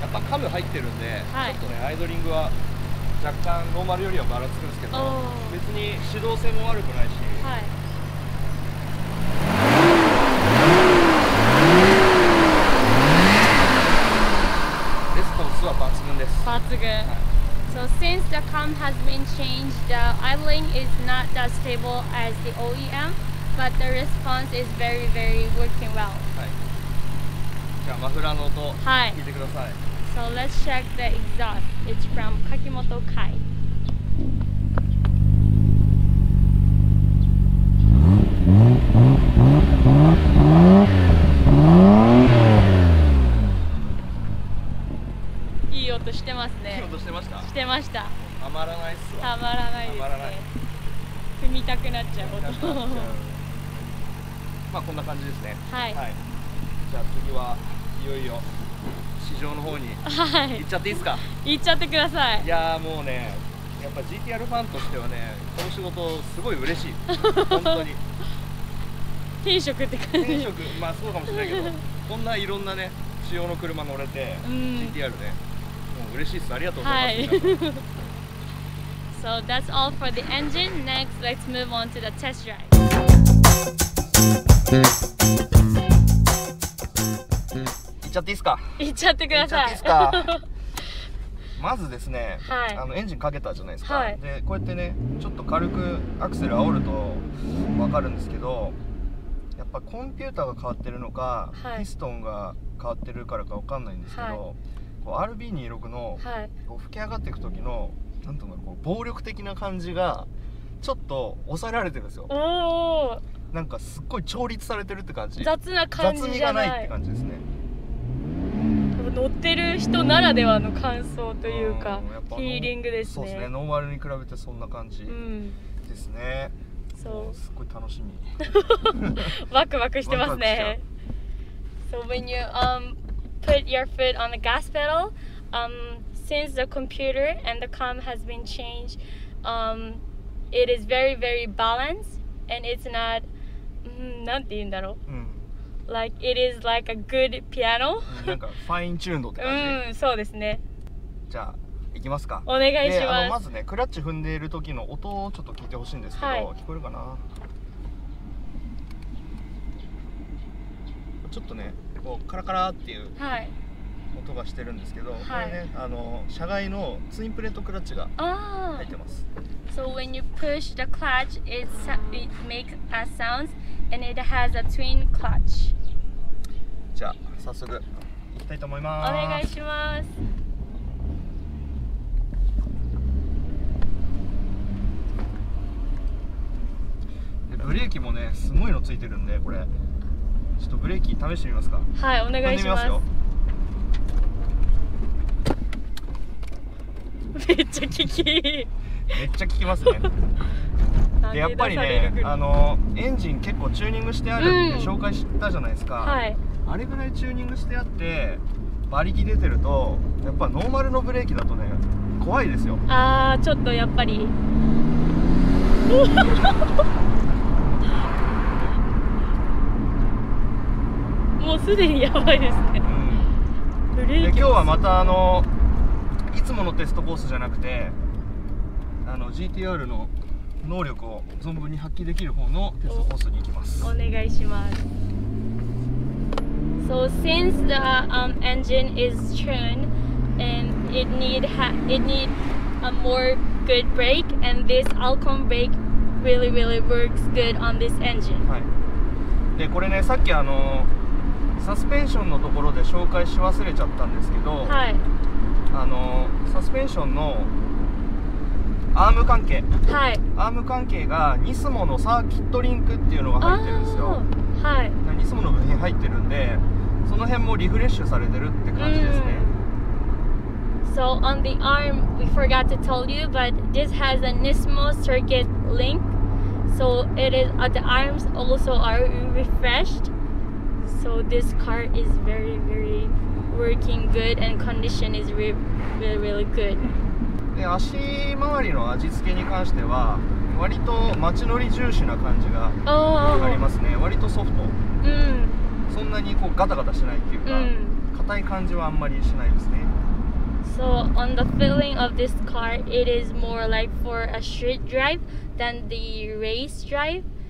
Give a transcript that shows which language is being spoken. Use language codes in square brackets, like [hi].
[ja] カム入ってるんで、はい、ちょっとね、アイドリングは若干ノーマルよりはバラつくんですけど、別に指導性も悪くないし、はい、レスポンスは抜群です。抜群、は [en] い、So since the cam has been changed, the idling is not as stable as the OEM, but the response is very very working well、 [ja] はい、じゃあマフラーの音、はい、聞いてください。 [en] So let's check the exhaust. It's from Kakimoto Kai. [ja] いい音してますね。いい音してました。してました。たまらないっすわ。たまらないですね。踏みたくなっちゃう音。まあこんな感じですね。はい。はい、じゃあ次はいよいよ。市場の方に行っちゃっていいですか、はい、行っちゃってください。いやもうね、やっぱ GTR ファンとしてはね、この仕事すごい嬉しい。本当に転職って感じ。転職、まあそうかもしれないけど、こんないろんなね、仕様の車乗れて、うん、 GTR ね、もう嬉しいです。ありがとうございます、 [en] はい、So that's all for the engine. Next, let's move on to the test drive. [ja] いっちゃっていいですか。行っちゃってください。行っちゃっていいですか。まずですね、はい、あのエンジンかけたじゃないですか、はい、でこうやってね、ちょっと軽くアクセル煽ると分かるんですけど、やっぱコンピューターが変わってるのか、はい、ピストンが変わってるからか分かんないんですけど、はい、こう RB26 の、はい、こう吹き上がっていく時の、なんていうの、こう暴力的な感じがちょっと抑えられてるんですよ。おお、なんかすっごい調律されてるって感じ。雑な感じじゃない。雑味がないって感じですね。乗ってる人ならではの感想というか、フィーリングですね。そうですね、ノーマルに比べてそんな感じですね。うん、そう、すっごい楽しみ。ワクワクしてますね。 [en] So when you put your foot on the gas pedal, since the computer and the cam has been changed, it is very very balanced and it's not、 [ja] なんて言うんだろう。うん、 [en] Like, it is like a good piano. [ja] なんかファインチューンドって感じ。うん、そうですね。じゃあ、行きますか。お願いします。あの、まずね、クラッチ踏んでいる時の音をちょっと聞いてほしいんですけど、はい、聞こえるかな。ょっとねこうカラカラっていう音がしてるんですけど、はい、これね、あの車外のツインプレートクラッチが入ってます。 [en] So when you push the clutch it makes a sound and it has a twin clutch。 [ja] じゃあ早速行きたいと思います。お願いします。ブレーキもね、すごいのついてるんで、これちょっとブレーキ試してみますか。はい、お願いします。めっちゃ効きめっちゃ効きますね。でやっぱりね、あのエンジン結構チューニングしてあるって紹介したじゃないですか、うん、はい、あれぐらいチューニングしてあって馬力出てるとやっぱノーマルのブレーキだとね怖いですよ。あー、ちょっとやっぱりもうすでにやばいですね、うん、で今日はまたあのいつものテストコースじゃなくてあの GTR の能力を存分に発揮できる方のテストコースに行きます。お願いします。 [en] So since the engine is tuned and it need a more good brake and this Alcon brake really really works good on this engine、 [ja] はい、でこれねさっきあのサスペンションのところで紹介し忘れちゃったんですけど、はい、あのサスペンションのアーム関係、はい、アーム関係がニスモのサーキットリンクっていうのが入ってるんですよ、はい、ニスモの部品入ってるんでその辺もリフレッシュされてるって感じですね、うん、 [en] So on the arm we forgot to tell you but this has a Nismo circuit link so it is at the arms also are refreshedSo this car is very, very working good and condition is really, really good. [ja] で足周りの味付けに関しては割と街乗り重視な感じがありますね。割とソフト。そんなにこうガタガタしないっていうか、硬い感じはあんまりしないですね。 [en] So on the feeling of this car, it is more like for a street drive than the race drive.